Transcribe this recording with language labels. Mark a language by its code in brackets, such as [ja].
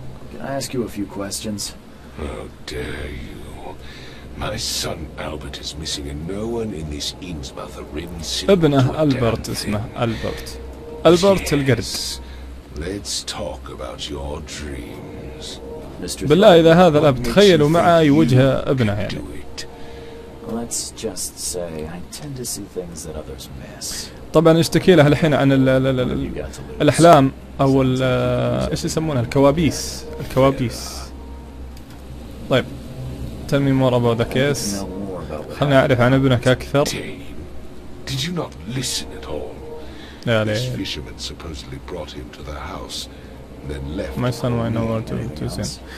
[en] Can I ask you a few questions? How dare you? My son Albert is missing, and no one in this Innsmouth Rim city. [ar] ابنه ألبرت اسمه ألبرت. ألبرت القرد. [en] Let's talk about your dreams. [ar] بالله إذا هذا الأب تخيلوا معي وجه ابنه يعني. [en] Let's just say I tend to see things that others miss. [ar] طبعا يشتكي له الحين عن الـ الـ الـ الـ الأحلام أو الـ إيش يسمونها الكوابيس. الكوابيس. طيب [en] tell me more about the case. [ar] خلنا أعرف عن ابنك أكثر. [en] Did you not listen at all? This fisherman supposedly brought him to the house, then left. My son went nowhere to see.